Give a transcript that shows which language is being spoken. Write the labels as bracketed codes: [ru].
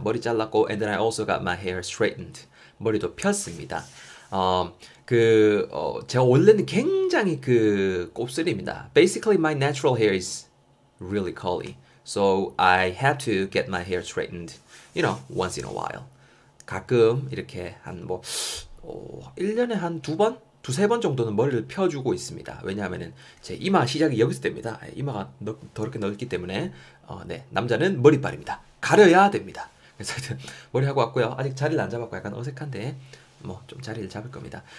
[ko] 머리 잘랐고, [en] and then I also got my hair straightened. [ko] 머리도 폈습니다. 제가 원래는 굉장히 그 곱슬입니다. [en] Basically, my natural hair is really curly. So I have to get my hair straightened, you know, once in a while. [ko] 가끔 이렇게 한 뭐, 1년에 한두 번? 두세 번 정도는 머리를 펴주고 있습니다. 왜냐하면은 제 이마 시작이 여기서 됩니다. 이마가 더럽게 넓기 때문에, 네, 남자는 머리빨입니다. 가려야 됩니다. 그래서 하여튼 머리 하고 왔고요. 아직 자리를 안 잡았고 약간 어색한데, 뭐, 좀 자리를 잡을 겁니다.